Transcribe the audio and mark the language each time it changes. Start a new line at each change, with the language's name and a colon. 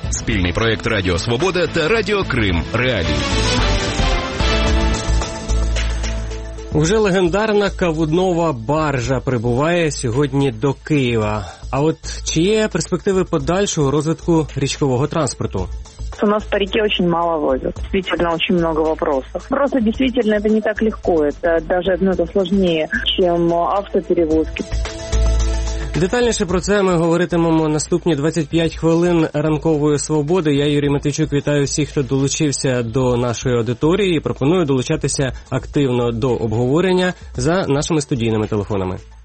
Ukrainian: Спільний проєкт «Радіо Свобода» та «Радіо Крим. Реалії». Уже легендарна кавунова баржа прибуває сьогодні до Києва. А от чи є перспективи подальшого розвитку річкового транспорту?
Russian: У нас по реке очень мало возят. Действительно, очень много вопросов. Просто действительно это не так легко. Это даже это сложнее, чем автоперевозки.
Ukrainian: Детальніше про це ми говоритимемо наступні 25 хвилин ранкової свободи. Я, Юрій Матвійчук, вітаю всіх, хто долучився до нашої аудиторії. Пропоную долучатися активно до обговорення за нашими студійними телефонами.